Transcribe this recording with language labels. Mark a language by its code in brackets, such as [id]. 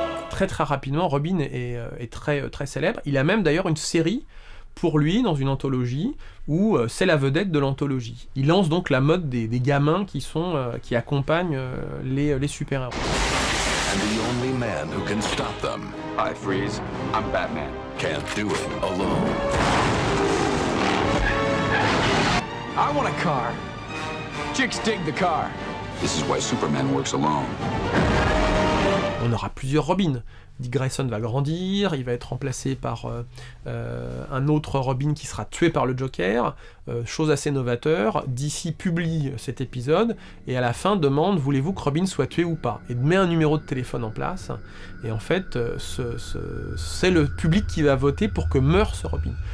[fr] Très très rapidement, Robin est très très célèbre. Il a même d'ailleurs une série pour lui dans une anthologie où c'est la vedette de l'anthologie. Il lance donc la mode des gamins qui accompagnent les super-héros. [en] And the only man who can stop them. I freeze. I'm Batman. Can't do it alone. I want a car. Chicks dig the car. This is why Superman works alone. [fr] On aura plusieurs Robins. Dick Grayson va grandir, il va être remplacé par un autre Robin qui sera tué par le Joker. Chose assez novateur, DC publie cet épisode et à la fin demande « Voulez-vous que Robin soit tué ou pas ?» et met un numéro de téléphone en place. Et en fait, c'est le public qui va voter pour que meure ce Robin.